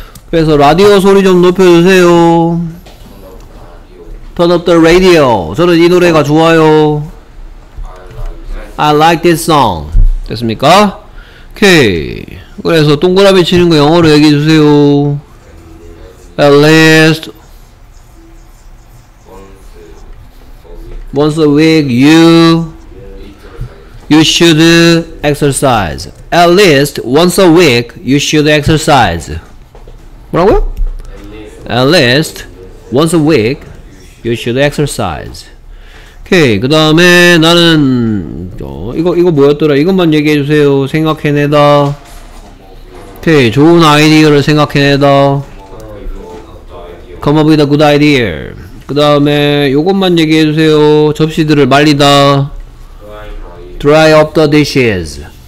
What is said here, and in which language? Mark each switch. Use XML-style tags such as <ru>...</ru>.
<ko>그래서 라디오 소리 좀 높여주세요.</ko> <en>Turn up the radio.</en> <ko>저는 이 노래가 좋아요.</ko> <en>I like this song.</en> <ko>됐습니까?</ko> <en>오케이.</en> <ko>그래서 동그라미 치는 거 영어로 얘기해 주세요.</ko> <en>At least once a week you should exercise. At least once a week you should exercise.</en> <ko>뭐라고요?</ko> <en>At least once a week you should exercise.</en> <ko>오케이. 그 다음에 나는 이거 뭐였더라? 이것만 얘기해 주세요. 생각해내다. 오케이. 좋은 아이디어를 생각해내다.</ko> <en>Come up with a good idea.</en> <ko>그 다음에 요것만 얘기해 주세요. 접시들을 말리다.</ko> <en>Dry up the dishes.</en>